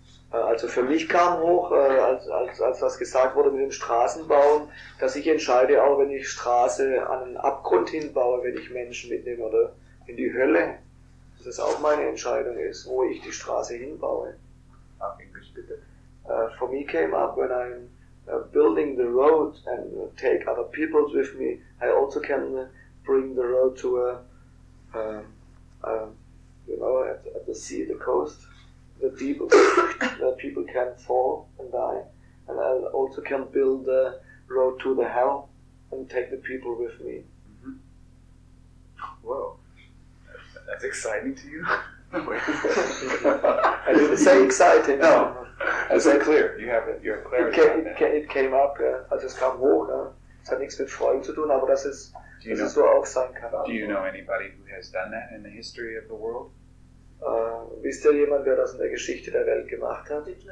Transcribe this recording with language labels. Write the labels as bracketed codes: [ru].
[de] Also für mich kam hoch, als das gesagt wurde mit dem Straßenbauen, dass ich entscheide auch, wenn ich Straße an einen Abgrund hinbaue, wenn ich Menschen mitnehme oder in die Hölle, dass das auch meine Entscheidung ist, wo ich die Straße hinbaue. Auf Englisch bitte. [en] For me came up, when I'm building the road and take other people with me, I also can bring the road to at the sea, the coast. The people that people can fall and die, and I also can build the road to the hell and take the people with me. Mm-hmm. Whoa, that's exciting to you. I didn't say exciting. No, I said clear. You have it. You're clear. It came up. [de] Also es kam hoch. Es hat nichts mit Freude zu tun, aber das ist so auch sein Charakter. [en] Do you know anybody who has done that in the history of the world? [de] Wisst ihr jemand, wer das in der Geschichte der Welt gemacht hat?